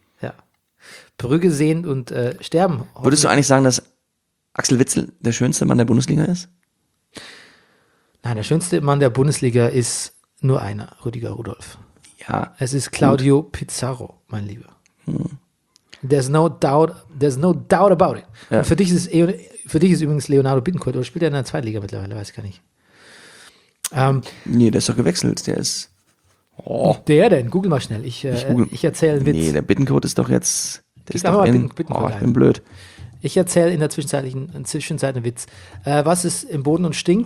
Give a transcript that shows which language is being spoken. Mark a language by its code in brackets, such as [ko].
[de] Ja. Brügge sehen und sterben. Würdest du eigentlich sagen, dass Axel Witzel der schönste Mann der Bundesliga ist? Nein, der schönste Mann der Bundesliga ist nur einer, Rüdiger Rudolph. Ja. Es ist Claudio Pizarro, mein Lieber. Hm. [en] There's no doubt about it. [de] Ja. Und für dich ist übrigens Leonardo Bittencourt, oder spielt er in der zweiten Liga mittlerweile, weiß ich gar nicht. Nee, der ist doch gewechselt, der ist... Oh. Der denn? Google mal schnell, ich erzähle einen Witz. Nee, der Bittencourt ist doch jetzt... Der ist doch mal ich bin blöd. Ich erzähle in der Zwischenzeit einen Witz. Was ist im Boden und stinkt?